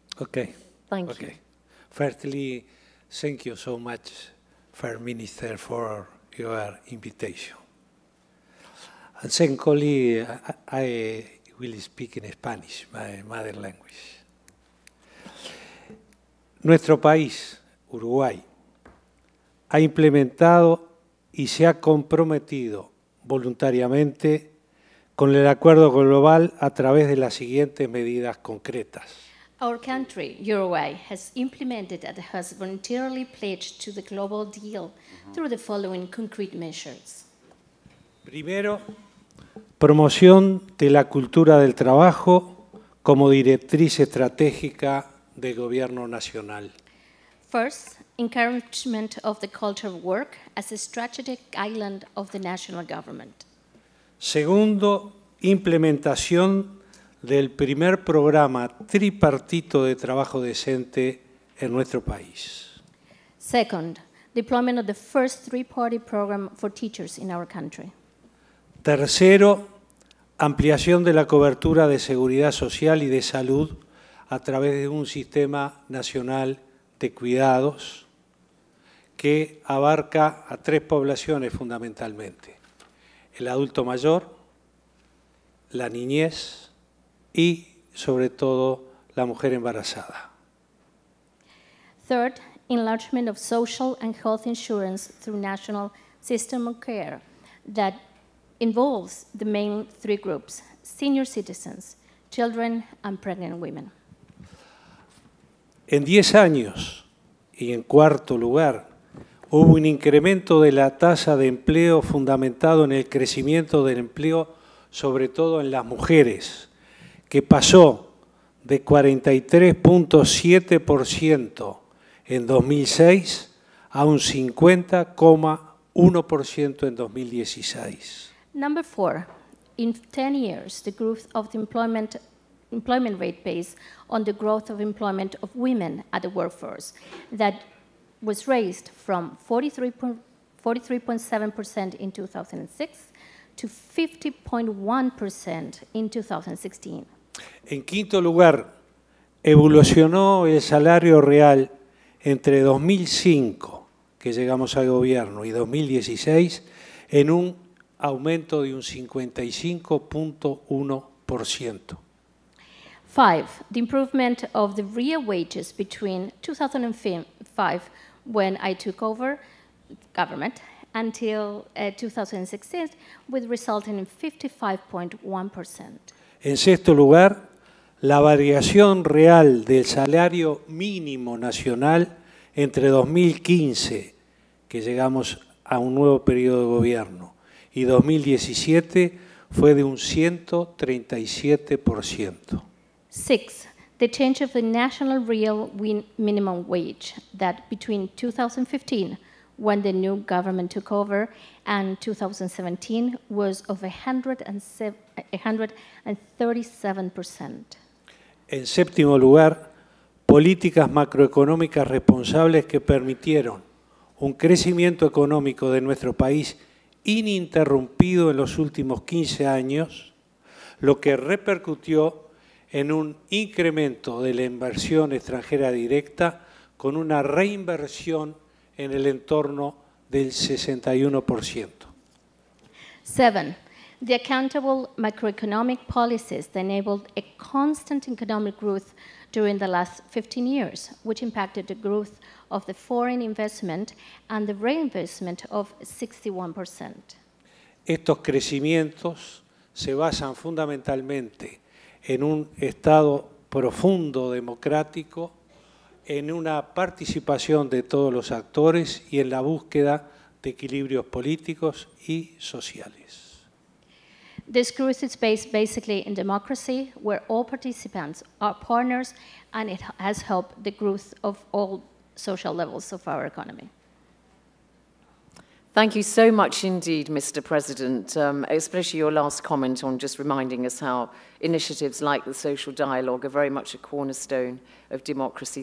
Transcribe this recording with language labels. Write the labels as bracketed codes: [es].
[en] Okay. Thank you. Okay. Firstly, thank you so much, Fair Minister, for your invitation. And secondly, I will speak in Spanish, my mother language. [es] Nuestro país, Uruguay, ha implementado y se ha comprometido voluntariamente con el acuerdo global a través de las siguientes medidas concretas. [en] Our country, Uruguay, has implemented and has voluntarily pledged to the global deal through the following concrete measures. [es] Primero, promoción de la cultura del trabajo como directriz estratégica del gobierno nacional. [en] First, encouragement of the culture of work as a strategic guideline of the national government. [es] Segundo, implementación del primer programa tripartito de trabajo decente en nuestro país. [en] Second, deployment of the first three-party program for teachers in our country. [es] Tercero, ampliación de la cobertura de seguridad social y de salud a través de un sistema nacional de cuidados que abarca a tres poblaciones fundamentalmente: el adulto mayor, la niñez y, sobre todo, la mujer embarazada. [en] Third, enlargement of social and health insurance through national system of care that involves the main three groups: senior citizens, children, and pregnant women. [es] En 10 años, y en cuarto lugar, hubo un incremento de la tasa de empleo fundamentado en el crecimiento del empleo, sobre todo en las mujeres, que pasó de 43.7% en 2006 a un 50.1% en 2016. [en] Number four, in 10 years, the growth of the employment rate based on the growth of employment of women at the workforce that was raised from 43.7% in 2006 to 50.1% in 2016. [es] En quinto lugar, evolucionó el salario real entre 2005, que llegamos al gobierno, y 2016 en un aumento de un 55.1%. [en] Five, the improvement of the real wages between 2005, when I took over government, until 2016, with resulting in 55.1%. [es] En sexto lugar, la variación real del salario mínimo nacional entre 2015, que llegamos a un nuevo periodo de gobierno. Y 2017 fue de un 137%. [en] Six, the change of the national real minimum wage that between 2015, when the new government took over, and 2017 was of 137%. [es] En séptimo lugar, políticas macroeconómicas responsables que permitieron un crecimiento económico de nuestro país ininterrumpido en los últimos 15 años, lo que repercutió en un incremento de la inversión extranjera directa con una reinversión en el entorno del 61%. [en] 7. The accountable macroeconomic policies that enabled a constant economic growth during the last 15 years, which impacted the growth of the foreign investment and the reinvestment of 61%. [es] Estos crecimientos se basan fundamentalmente en un Estado profundo democrático, en una participación de todos los actores y en la búsqueda de equilibrios políticos y sociales. [en] This growth is based basically in democracy, where all participants are partners, and it has helped the growth of all social levels of our economy. Thank you so much indeed, Mr. President, especially your last comment on just reminding us how initiatives like the social dialogue are very much a cornerstone of democracy.